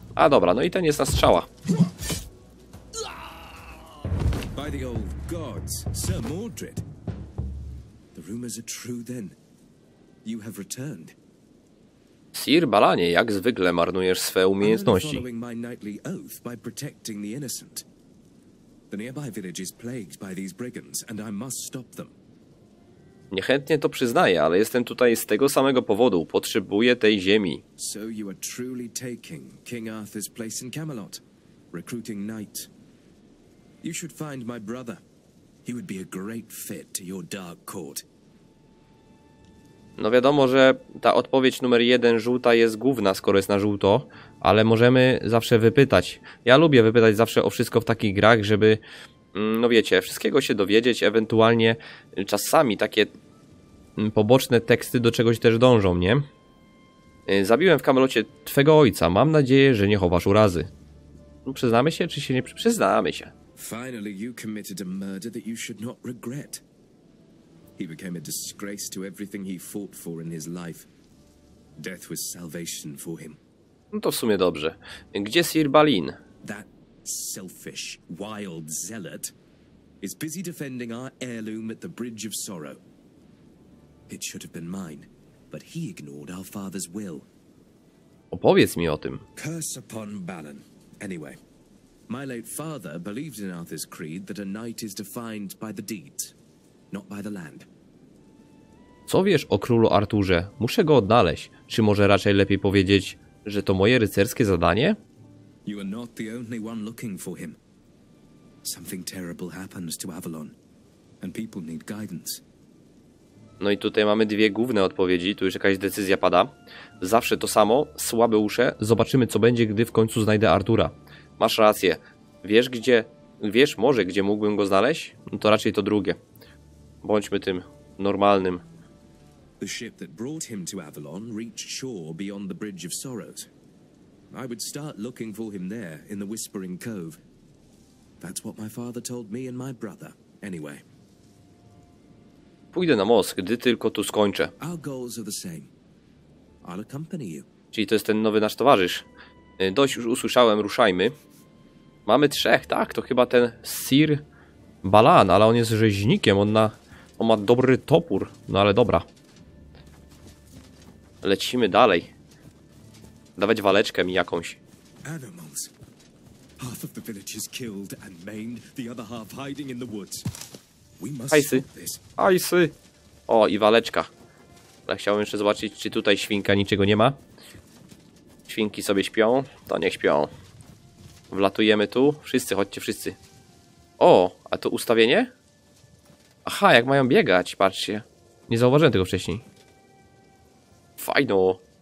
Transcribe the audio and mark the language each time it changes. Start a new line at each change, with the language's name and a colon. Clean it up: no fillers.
Polish: A dobra, no i ten jest na strzała.
English: By the old gods, Sir Mordred. The rumors are true then. You have returned.
Polish: Sir Balanie, jak zwykle marnujesz swe umiejętności.
English: I'm following my knightly oath by protecting the innocent. The nearby village is plagued by these brigands and I must stop them.
Polish: Niechętnie to przyznaję, ale jestem tutaj z tego samego powodu. Potrzebuję tej ziemi.
English: So you are truly taking King Arthur's place in Camelot, recruiting knight. You should find my brother. He would be a great fit to your dark court.
Polish: No wiadomo, że ta odpowiedź numer jeden żółta jest gówna, skoro jest na żółto, ale możemy zawsze wypytać. Ja lubię wypytać zawsze o wszystko w takich grach, żeby, no wiecie, wszystkiego się dowiedzieć, ewentualnie czasami takie poboczne teksty do czegoś też dążą, nie? Zabiłem w Camelocie twego ojca, mam nadzieję, że nie chowasz urazy. Przyznamy się, czy się nie przyznamy się?
English: Finally you committed a murder that you should not regret. He became a disgrace to everything he fought for in his life. Death was salvation for him.
Polish: No to w sumie dobrze. Gdzie Sir Balin?
English: That selfish, wild zealot is busy defending our heirloom at the Bridge of Sorrow. It should have been mine, but he ignored our father's will.
Polish: Opowiedz mi o tym.
English: Curse upon Balin. Anyway, my late father believed in Arthur's creed that a knight is defined by the deed. Not by the land.
Polish: Co wiesz o królu Arturze? Muszę go odnaleźć. Czy może raczej lepiej powiedzieć, że to moje rycerskie zadanie?
English: You are not the only one looking for him. Something terrible happens to Avalon, and people need guidance.
Polish: No i tutaj mamy dwie główne odpowiedzi, tu już jakaś decyzja pada. Zawsze to samo, słabe usze, zobaczymy co będzie, gdy w końcu znajdę Artura. Masz rację, wiesz może gdzie mógłbym go znaleźć? No to raczej to drugie. Bądźmy tym normalnym.
English: The ship that brought him to Avalon reached shore beyond the Bridge of Sorrows. I would start looking for him there, in the Whispering Cove. That's what my father told me and my brother, anyway.
Polish: Pójdę na most, gdy tylko tu skończę.
English: Our goals are the same. I'll accompany you.
Polish: Czyli to jest ten nowy nasz towarzysz. Dość już usłyszałem, ruszajmy. Mamy trzech, tak? To chyba ten Sir Balan, ale on jest rzeźnikiem, on ma dobry topór. No ale dobra. Lecimy dalej. Dawać waleczkę mi jakąś.
English: Animals. Half of the village is killed and maimed, the other half hiding in the woods. We must stop this.
Polish: Ajsy. O, i waleczka. Ale chciałbym jeszcze zobaczyć, czy tutaj świnka niczego nie ma. Świnki sobie śpią, to niech śpią. Wlatujemy tu. Wszyscy, chodźcie wszyscy. O, a to ustawienie? Aha, jak mają biegać, patrzcie. Nie zauważyłem tego wcześniej. Fajno.